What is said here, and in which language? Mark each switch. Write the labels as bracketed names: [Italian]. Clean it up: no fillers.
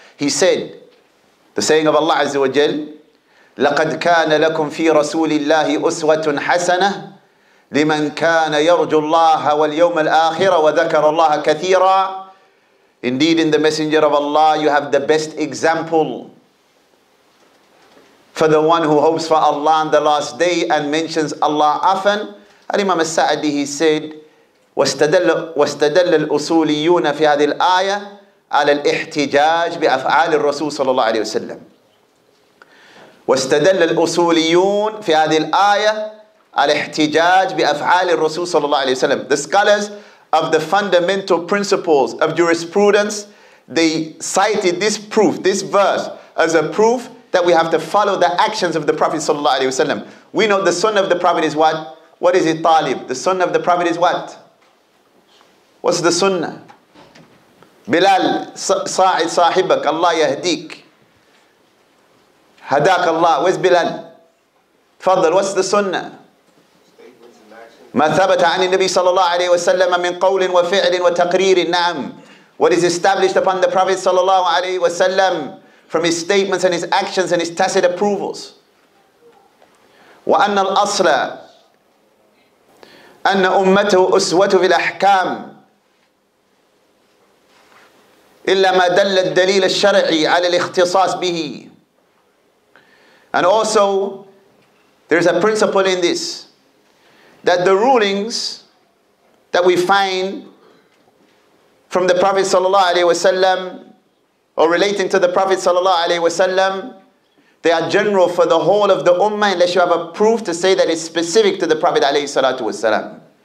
[English] He said, the saying of Allah Azza wa Jal, [Arabic] لَقَدْ كَانَ لَكُمْ فِي رَسُولِ اللَّهِ أُسْوَةٌ حَسَنَةٌ لِمَنْ كَانَ يَرْجُ اللَّهَ وَالْيَوْمَ الْآخِرَ وَذَكَرَ اللَّهَ كَثِيرًا. [English] Indeed, in the Messenger of Allah, you have the best example for the one who hopes for Allah on the last day and mentions Allah often. Al-Imam al-Sa'di, he said, [Arabic] وَاسْتَدَلَّ الْأُصُولِيُّونَ فِي هَذِي الْآيَةِ عَلَى الْإِحْتِجَاجِ بِأَفْعَالِ الرَّسُولِ صَلَى اللَّهُ عَلَيْهِ وَسَلَّمُ. واستدل الأصوليون في هذه الآية على احتجاج بأفعال الرسول صلى الله عليه وسلم. [English] The scholars of the fundamental principles of jurisprudence, they cited this proof, this verse, as a proof that we have to follow the actions of the Prophet sallallahu alaihi wasallam. We know the sunnah of the Prophet is what? What is it, Talib? The sunnah of the Prophet is what? What's the sunnah? [Arabic] Bilal, sa'id sahibak, Allah yahdik. Hadak Allah, [English] where's Bilal? Fadl, what's the sunnah? [Arabic] ما ثبت عن النبي صلى الله عليه وسلم من قول وفعل وتقرير نعم. [English] What is established upon the Prophet صلى الله عليه وسلم from his statements and his actions and his tacit approvals. [Arabic] وأن الأصل أن أمته أسوة في الأحكام إلا ما دل الدليل الشرعي على الاختصاص به. [English] And also, there is a principle in this, that the rulings that we find from the Prophet sallallahu alaihi wasallam, or relating to the Prophet sallallahu alaihi wasallam, they are general for the whole of the ummah unless you have a proof to say that it's specific to the Prophet alayhi salatu wasallam.